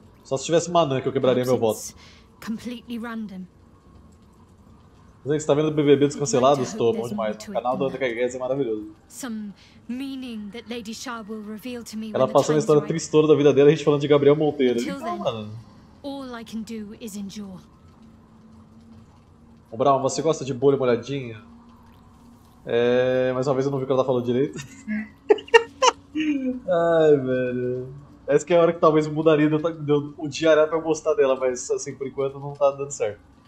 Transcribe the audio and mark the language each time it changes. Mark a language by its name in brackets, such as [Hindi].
[Portuguese] Só se tivesse manã que eu quebraria meu voto. [English] Completely random. [Portuguese] Você está vendo o BBB descancelado? Estou, bom demais. O canal da Andrea Guedes é maravilhoso. [English] Some meaning that Lady Shah will reveal to me. [Portuguese] Ela passando a história tristona da vida dela, a gente falando de Gabriel Monteiro. [English] All I can do is endure. [Portuguese] Ô, Brown, você gosta de bolha molhadinha? Mais uma vez eu não vi o que ela tá falando direito. Ai, velho. Essa que é a hora que talvez mudaria de eu um dia olhar pra gostar dela, mas assim, por enquanto não tá dando certo.